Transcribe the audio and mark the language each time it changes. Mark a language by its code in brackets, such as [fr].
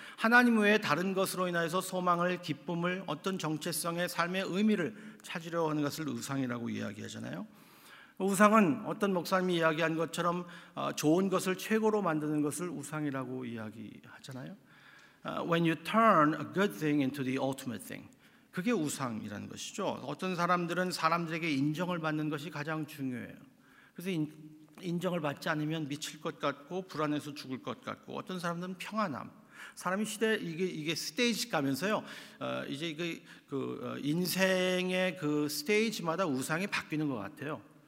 [ko] 하나님 외에 다른 것으로 인하여서 소망을, 기쁨을, 어떤 정체성의 삶의 의미를 찾으려 하는 것을 우상이라고 이야기하잖아요. 우상은 어떤 목사님이 이야기한 것처럼 좋은 것을 최고로 만드는 것을 우상이라고 이야기하잖아요. [en] When you turn a good thing into the ultimate thing, [ko] 그게 우상이라는 것이죠. 어떤 사람들은 사람들에게 인정을 받는 것이 가장 중요해요. 그래서 인정을 받지 않으면 미칠 것 같고 불안해서 죽을 것 같고, 어떤 사람들은 평안함. 사람이 시대 이게 스테이지 가면서요, 이제 그 인생의 그 스테이지마다 우상이 바뀌는 것 같아요.